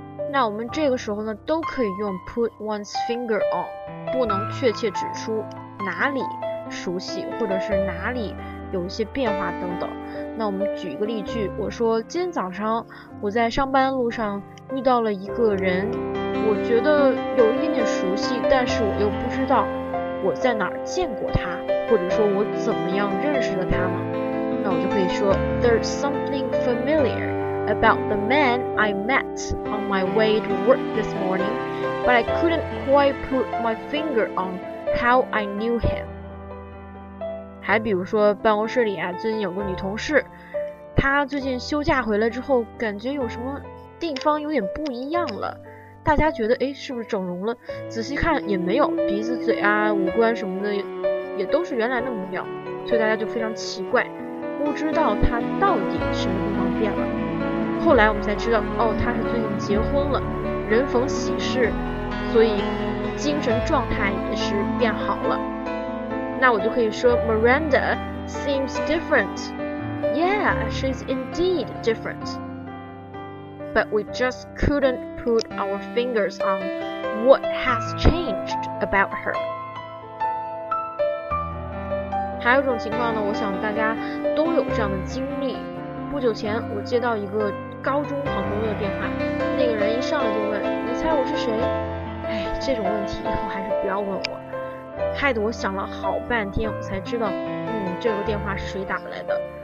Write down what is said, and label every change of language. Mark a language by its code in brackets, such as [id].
[zh] 那我们这个时候呢，都可以用 [en] put one's finger on， [zh] 不能确切指出哪里熟悉，或者是哪里有一些变化等等。那我们举一个例句，我说今天早上我在上班路上遇到了一个人，我觉得有一点点熟悉，但是我又不知道我在哪儿见过他，或者说我怎么样认识了他呢？那我就可以说 [en] There's something familiar about the man I met on my way to work this morning, but I couldn't quite put my finger on how I knew him。 [zh] 还比如说办公室里啊，最近有个女同事，她最近休假回来之后感觉有什么地方有点不一样了，大家觉得诶是不是整容了，仔细看也没有，鼻子嘴啊五官什么的 也都是原来的模样，所以大家就非常奇怪，不知道她到底什么地方变了。后来我们才知道，哦，她是最近结婚了，人逢喜事，所以精神状态也是变好了。那我就可以说 [en] Miranda seems different. Yeah, she's indeed different. But we just couldn't put our fingers on what has changed about her. [zh] 还有一种情况呢，我想大家都有这样的经历。不久前我接到一个高中好朋友的电话，那个人一上来就问你猜我是谁。哎，这种问题以后还是不要问我，害得我想了好半天我才知道，这个电话是谁打来的。